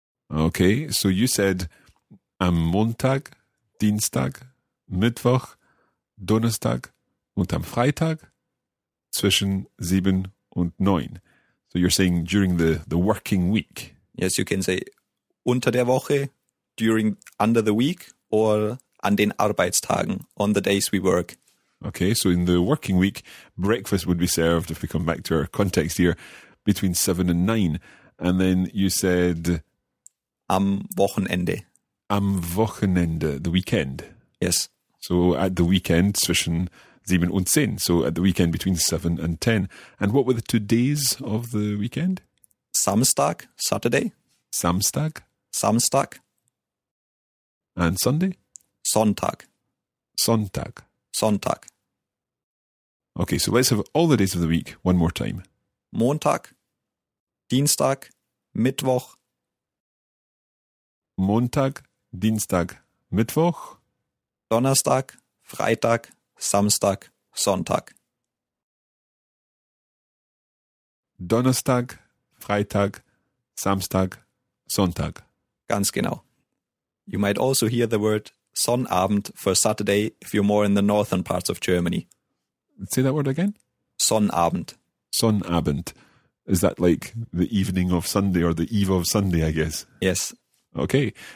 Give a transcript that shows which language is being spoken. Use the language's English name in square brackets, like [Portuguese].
[English] Okay, so you said [German] am Montag, Dienstag, Mittwoch, Donnerstag und am Freitag zwischen 7 und 9. [English] So you're saying during the working week. Yes, you can say [German] unter der Woche, [English] during, under the week, or [German] an den Arbeitstagen, [English] on the days we work. Okay, so in the working week, breakfast would be served, if we come back to our context here, between 7 and 9. And then you said... [German] Am Wochenende. Am Wochenende, [English] the weekend. Yes. So at the weekend, [German] zwischen 7 und 10. [English] So at the weekend between 7 and 10. And what were the 2 days of the weekend? [German] Samstag, Saturday. Samstag. Samstag. [English] And Sunday? [German] Sonntag. Sonntag. Sonntag. [English] Okay, so let's have all the days of the week one more time. [German] Montag, Dienstag, Mittwoch. Montag, Dienstag, Mittwoch. Donnerstag, Freitag, Samstag, Sonntag. Donnerstag, Freitag, Samstag, Sonntag. Ganz genau. [English] You might also hear the word Sonnabend for Saturday if you're more in the northern parts of Germany. Say that word again. [German] Sonnabend. Sonnabend. [English] Is that like the evening of Sunday or the eve of Sunday, I guess? Yes. Okay.